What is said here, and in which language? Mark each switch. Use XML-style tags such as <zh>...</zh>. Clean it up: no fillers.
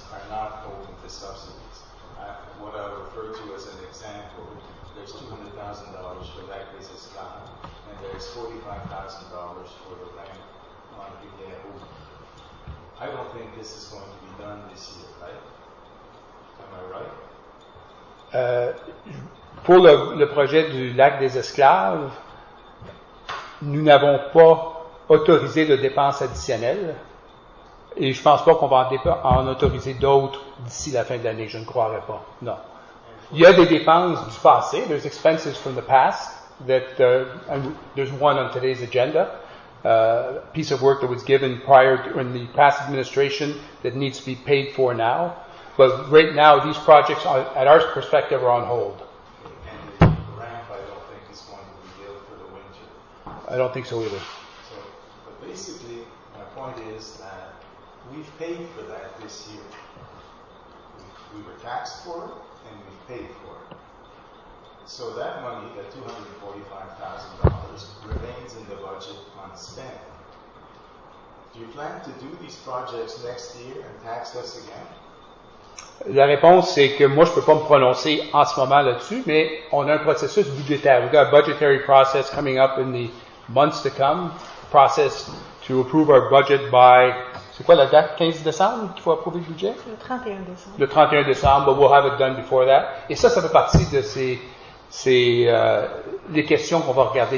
<en>What I refer to as an example, there's $200,000 for that business plan, and there's $45,000 for the land on Rivière Rouge. I don't think this is going to be done this year, right? Am I right?</en> <fr>Pour le projet du lac des esclaves, nous n'avons pas autorisé de dépenses additionnelles. Et je ne pense pas qu'on va en autoriser d'autres d'ici la fin de l'année, je ne croirais pas, non. Il y a des dépenses du passé,</fr> <en>there's expenses from the past, there's one on today's agenda, piece of work that was given prior to, in the past administration that needs to be paid for now, but right now these projects, at our perspective, are on hold. And the ramp, I don't think, is going to be built for the winter. I don't think so either. So, but basically, my point is that we've paid for that this year. We were taxed for it, and we paid for it. So that money, that $245,000, remains in the budget unspent. Do you plan to do these projects next year and tax us again?</en> <fr>La réponse, c'est que moi, je ne peux pas me prononcer en ce moment là-dessus, mais on a un processus budgétaire.</fr> <en>We've got a budgetary process coming up in the months to come, process to approve our budget by...</en> <fr>C'est quoi la date, 15 décembre, qu'il faut approuver le budget? Le 31 décembre. Le 31 décembre,</fr> <en>but we'll have it done before that.</en> <fr>Et ça fait partie de les questions qu'on va regarder.</fr>